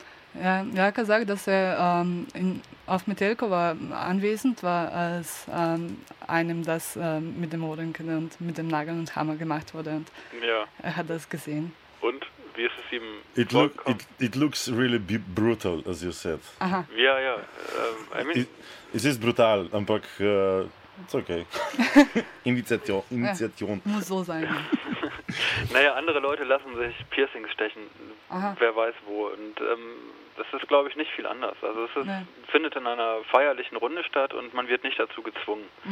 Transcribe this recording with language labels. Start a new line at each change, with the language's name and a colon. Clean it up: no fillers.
German: Ja, ich habe gesagt, dass er auf Metelkova anwesend war, als einem das mit dem Ohrring und mit dem Nagel und Hammer gemacht wurde. Und er hat das gesehen. Und wie ist es ihm vorgekommen?
English: It looks really brutal, as you said.
German: Aha. Ja. Es ist brutal, aber
English: it's okay.
German: Initiation. Ja, muss so sein. Naja, andere Leute lassen sich Piercings stechen, wer weiß wo. Und das ist, glaube ich, nicht viel anders. Also es findet in einer feierlichen Runde statt und man wird nicht dazu gezwungen.